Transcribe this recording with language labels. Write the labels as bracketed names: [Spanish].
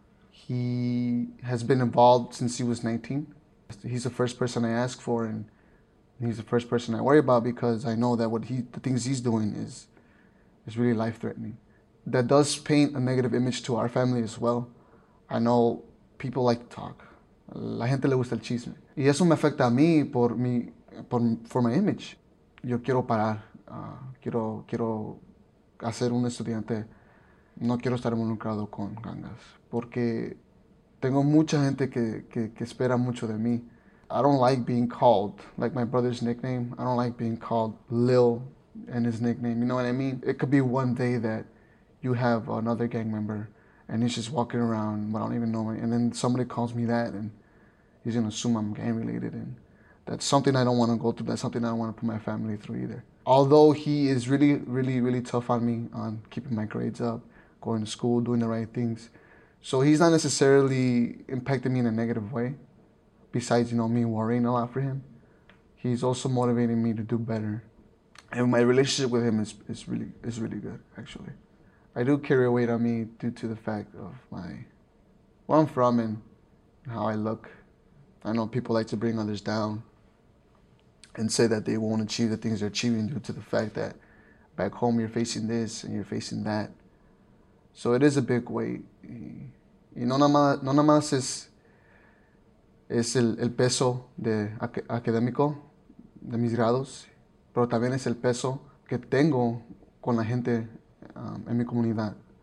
[English] He has been involved since he was 19. He's the first person I ask for, and he's the first person I worry about, because I know that the things he's doing is really life-threatening. That does paint a negative image to our family as well. I know people like to talk. [Spanish] La gente le gusta el chisme. Y eso me afecta a mí, por [English] my image. [Spanish] Yo quiero parar. Quiero hacer un estudiante. No quiero estar involucrado con gangas. Porque tengo mucha gente que espera mucho de mí. [English] I don't like being called, like my brother's nickname. I don't like being called Lil and his nickname. You know what I mean? It could be one day that you have another gang member and he's just walking around, but I don't even know him. And then somebody calls me that and he's gonna assume I'm gang related. And that's something I don't wanna go through. That's something I don't wanna put my family through either. Although he is really, really, really tough on me on keeping my grades up, going to school, doing the right things. So he's not necessarily impacting me in a negative way. Besides, you know, me worrying a lot for him, he's also motivating me to do better. And my relationship with him is really good, actually. I do carry a weight on me due to the fact of my where I'm from and how I look. I know people like to bring others down and say that they won't achieve the things they're achieving due to the fact that back home you're facing this and you're facing that. So it is a big weight. [Spanish] Y no nada más es el peso de académico de mis grados, pero también es el peso que tengo con la gente en mi comunidad.